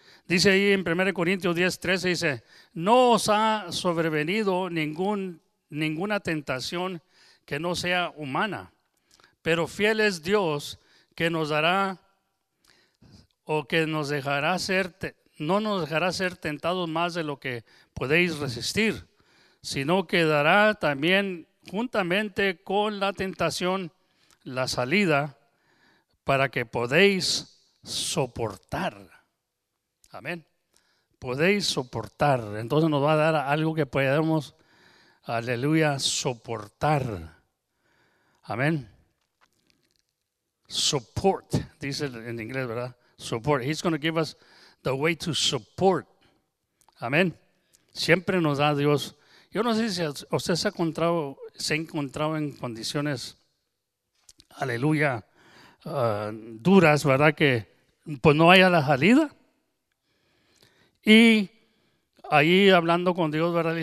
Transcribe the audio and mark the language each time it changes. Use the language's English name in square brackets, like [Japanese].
[Spanish] Dice ahí en 1 Corintios 10:13, dice, no os ha sobrevenido ninguna tentación que no sea humana, pero fiel es Dios que nos dará o que nos dejará ser, no nos dejará ser tentados más de lo que podéis resistir, sino que dará también juntamente con la tentación la salida para que podéis soportar. Amén. Podéis soportar. Entonces nos va a dar algo que podemos, aleluya, soportar. Amén. Support, dice en inglés, ¿verdad? [English] Support. He's going to give us the way to support. [Spanish] Amén. Siempre nos da Dios. Yo no sé si usted se ha encontrado en condiciones, aleluya, duras, ¿verdad? Que pues no haya la salida. Y ahí hablando con Dios, ¿verdad?